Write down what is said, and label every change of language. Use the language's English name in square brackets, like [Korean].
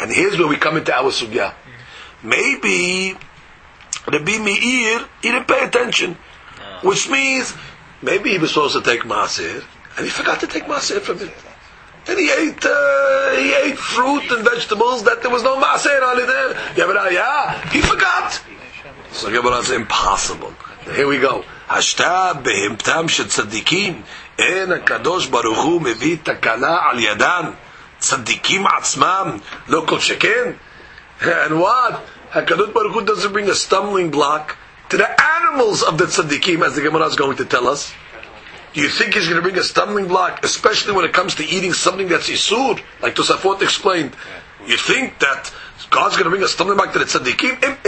[English] And here's where we come into our sugya. Maybe Rabbi Meir, he didn't pay attention, which means maybe he was supposed to take maaser and he forgot to take maaser from it. And he ate fruit and vegetables that there was no maaser on it. Yeah, he forgot. So the Gemara says, "Impossible." Here we go. [Hebrew] Hashta behimtam shel tzaddikim. אין הקדוש ברוך הוא מביא תקלה על ידם צדיקים עצמם לא כל שכן. [English] And what? הקדוש ברוך הוא doesn't bring a stumbling block to the animals of the tzaddikim, as the Gemara is going to tell us. Do you think he's going to bring a stumbling block, especially when it comes to eating something that's isur, like Tosafot explained? You think that God's going to bring a stumbling block to the tzaddikim?